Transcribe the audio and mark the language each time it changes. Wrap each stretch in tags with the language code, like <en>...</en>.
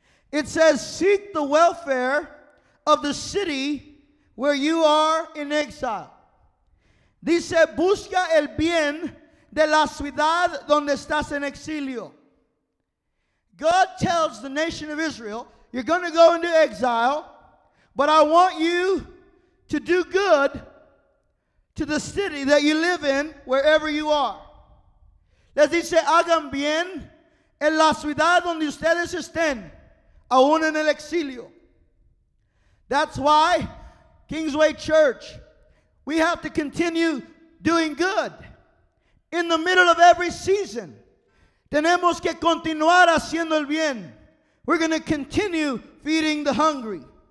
<en>It says, seek the welfare of the city where you are in exile.</en> <es>Dice, busca el bien de la ciudad donde estás en exilio.</es> <en>God tells the nation of Israel, you're going to go into exile, but I want you to do good to the city that you live in, wherever you are.</en> <es>Les dice, hagan bien en la ciudad donde ustedes estén, aún en el exilio.</es> <en>That's why, Kingsway Church, we have to continue doing good in the middle of every season.</en> <es>Tenemos que continuar haciendo el bien.</es> <en>We're going to continue feeding the hungry.</en>